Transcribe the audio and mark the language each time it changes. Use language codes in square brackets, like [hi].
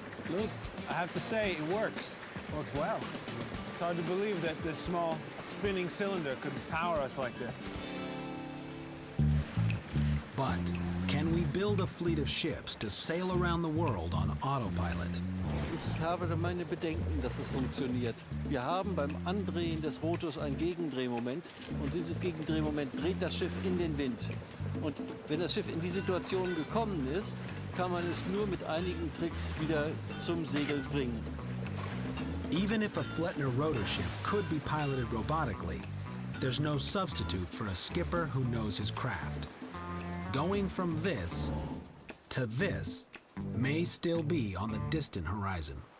[en] Lutz, I have to say, it works. Works well. It's hard to believe that this small spinning cylinder could power us like this. But can we build a fleet of ships to sail around the world on autopilot? [de] Ich habe meine Bedenken, dass es funktioniert. Wir haben beim Andrehen des Rotors ein Gegendrehmoment und dieses Gegendrehmoment dreht das Schiff in den Wind. Und wenn das Schiff in die Situation gekommen ist, kann man es nur mit einigen Tricks wieder zum Segeln bringen. [en] Even if a Flettner rotor ship could be piloted robotically, there's no substitute for a skipper who knows his craft. Going from this to this may still be on the distant horizon.